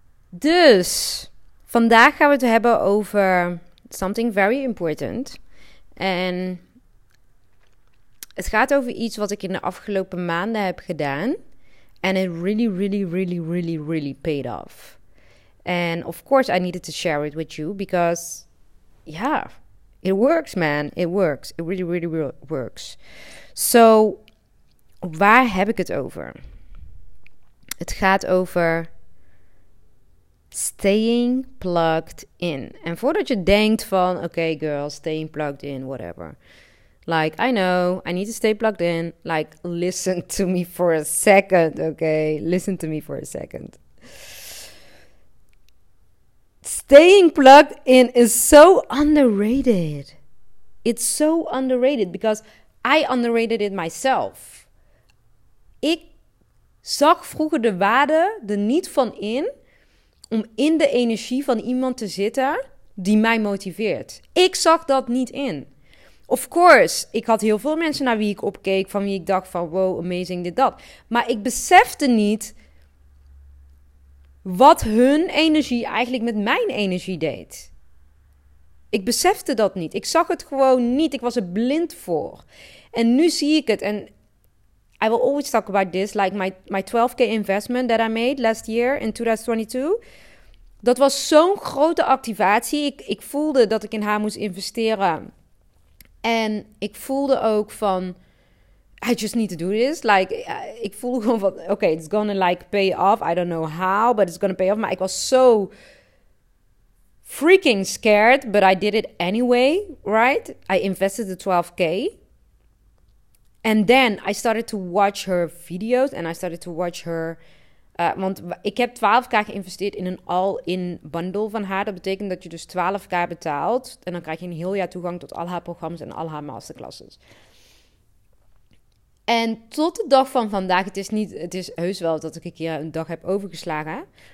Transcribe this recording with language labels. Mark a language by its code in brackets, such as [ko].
[nl] Dus, vandaag gaan we het hebben over [en] something very important. [nl] En het gaat over iets wat ik in de afgelopen maanden heb gedaan. [en] And it really, really, really, really, really paid off. And of course, I needed to share it with you because, yeah, it works, man. It works. It really, really, really works. So, [nl] waar heb ik het over? Het gaat over [en] staying plugged in. [nl] En voordat je denkt van, [en] okay, girl, staying plugged in, whatever. Like, I know, I need to stay plugged in. Like, listen to me for a second, okay? Listen to me for a second. Staying plugged in is so underrated. It's so underrated because I underrated it myself. [nl] Ik zag vroeger de waarde er niet van in om in de energie van iemand te zitten die mij motiveert. Ik zag dat niet in. [en] Of course, [nl] ik had heel veel mensen naar wie ik opkeek, van wie ik dacht van wow, amazing, dit, dat. Maar ik besefte niet wat hun energie eigenlijk met mijn energie deed. Ik besefte dat niet. Ik zag het gewoon niet. Ik was er blind voor. En nu zie ik het. En [en] I will always talk about this. Like my 12k investment that I made last year in 2022. [nl] Dat was zo'n grote activatie. Ik voelde dat ik in haar moest investeren. En ik voelde ook van, [en] I just need to do this. Like, [nl] ik voelde gewoon van, [en] okay, it's gonna like pay off. I don't know how, but it's gonna pay off. [nl] Maar ik was zo [en] freaking scared, but I did it anyway, right? I invested the 12k. And then I started to watch her videos and I started to watch her. [nl] Want ik heb 12k geïnvesteerd in een all-in bundle van haar. Dat betekent dat je dus 12k betaalt. En dan krijg je een heel jaar toegang tot al haar programma's en al haar masterclasses. En tot de dag van vandaag, het is heus wel dat ik een keer een dag heb overgeslagen.